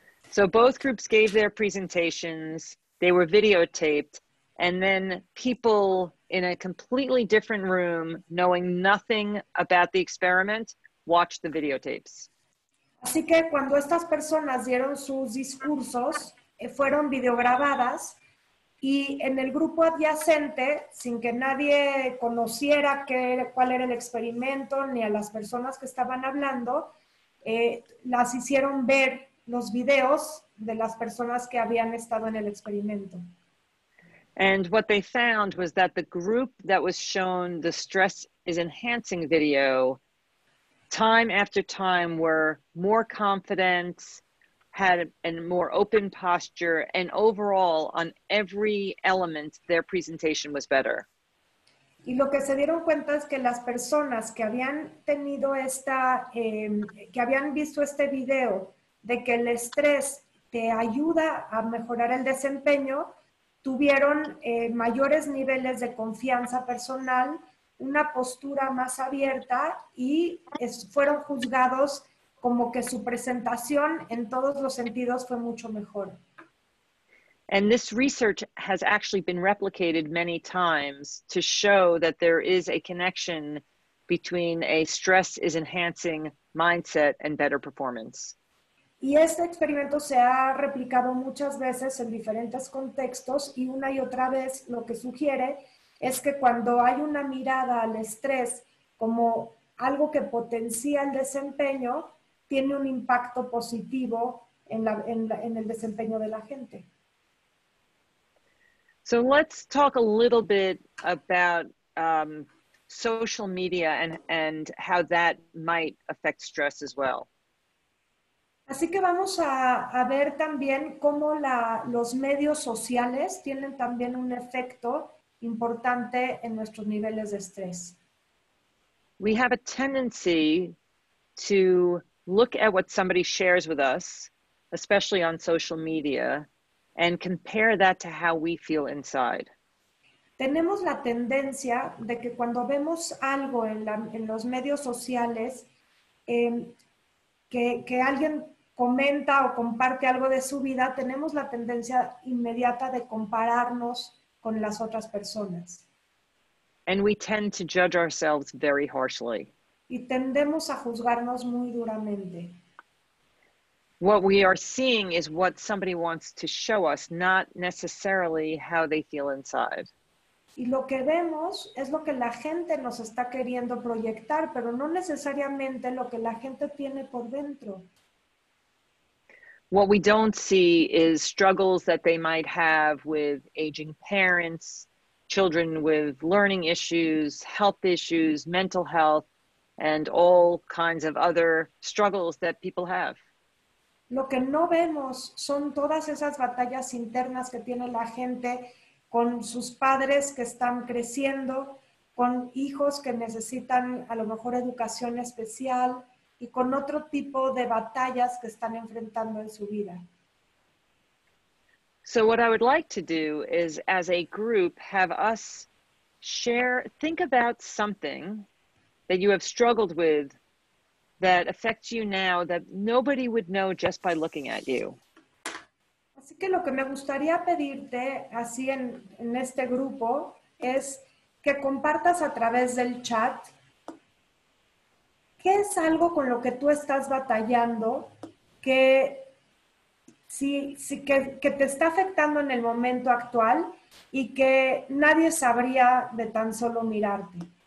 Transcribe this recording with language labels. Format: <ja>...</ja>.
<en>So both groups gave their presentations, they were videotaped, and then people in a completely different room, knowing nothing about the experiment, watched the videotapes.</en> <es>Así que cuando estas personas dieron sus discursos, fueron videograbadas, y en el grupo adyacente, sin que nadie conociera cuál era el experimento, ni a las personas que estaban hablando, las hicieron ver los videos de las personas que habían estado en el experimento.</es> <en>And what they found was that the group that was shown the stress is enhancing video, time after time, were more confident, had a more open posture, and overall, on every element, their presentation was better.</en> <es>Y lo que se dieron cuenta es que las personas que habían tenido que habían visto este video de que el estrés te ayuda a mejorar el desempeño, tuvieron mayores niveles de confianza personal, una postura más abierta y fueron juzgados como que su presentación en todos los sentidos fue mucho mejor.</es> <en>And this research has actually been replicated many times to show that there is a connection between a stress is enhancing mindset and better performance.</en> <es>Y este experimento se ha replicado muchas veces en diferentes contextos y una y otra vez lo que sugiere es que cuando hay una mirada al estrés como algo que potencia el desempeño, tiene un impacto positivo en el desempeño de la gente.</es> <en>So let's talk a little bit about social media and how that might affect stress as well.</en> <es>Así que vamos a ver también cómo los medios sociales tienen también un efecto importante en nuestros niveles de estrés.</es> <en>We have a tendency to look at what somebody shares with us, especially on social media, and compare that to how we feel inside.</en> <es>Tenemos la tendencia de que cuando vemos algo en los medios sociales, que alguien comenta o comparte algo de su vida, tenemos la tendencia inmediata de compararnos con las otras personas.</es> <en>And we tend to judge ourselves very harshly.</en> <es>Y tendemos a juzgarnos muy duramente.</es> <en>What we are seeing is what somebody wants to show us, not necessarily how they feel inside.</en> <es>Y lo que vemos es lo que la gente nos está queriendo proyectar, pero no necesariamente lo que la gente tiene por dentro.</es> <en>What we don't see is struggles that they might have with aging parents, children with learning issues, health issues, mental health, and all kinds of other struggles that people have.</en> <es>Lo que no vemos son todas esas batallas internas que tiene la gente con sus padres que están creciendo, con hijos que necesitan a lo mejor educación especial y con otro tipo de batallas que están enfrentando en su vida.</es> <en>So what I would like to do is, as a group, have us share, think about something that you have struggled with that affects you now that nobody would know just by looking at you.</en> <es>Así que lo que me gustaría pedirte, así en este grupo, es que compartas a través del chat qué es algo con lo que tú estás batallando que que te está afectando en el momento actual y que nadie sabría de tan solo mirarte.</es>